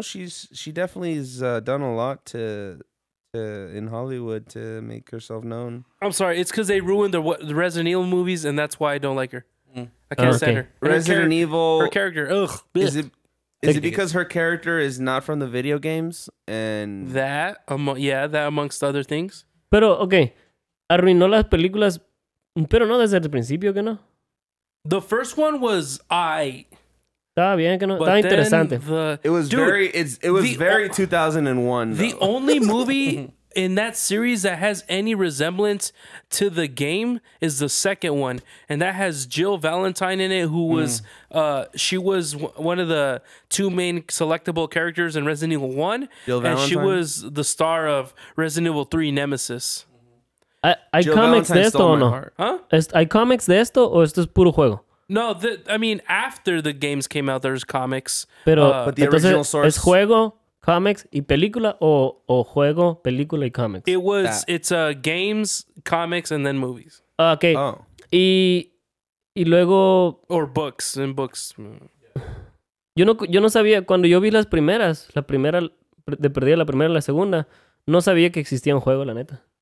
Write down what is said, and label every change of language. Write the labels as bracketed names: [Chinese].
[English] She definitely has done a lot to in Hollywood to make herself known. I'm sorry, it's because they ruined the Resident Evil movies, and that's why I don't like her. I can't stand her. Resident Evil. Her character. Ugh. Is it because her character is not from the video games? And that, that amongst other things. [Spanish] Pero okay, arruinó las películas, pero no desde el principio, que no. [English] The first one was [Spanish] Estaba bien, que no. Estaba interesante. [English] It was very 2001. The though. Only movie in that series that has any resemblance to the game is the second one. And that has Jill Valentine in it, who was she was one of the two main selectable characters in Resident Evil 1. Jill Valentine? And she was the star of Resident Evil 3 Nemesis. [Spanish] ¿Hay comics de esto o no? ¿Hay comics de esto o esto es puro juego? [English] No, after the games came out, there's comics. [Spanish] Pero, [English] but the original [Spanish] entonces, [English] source... [Spanish] ¿Es juego, comics, y película, o juego, película, y comics? [English] It was... That. It's games, comics, and then movies. Okay. Oh. [Spanish] Y luego... [English] Or books, and books. [Spanish] Yo no sabía... Cuando yo vi las primeras, la primera... De perdida la primera y la segunda, no sabía que existía un juego, la neta.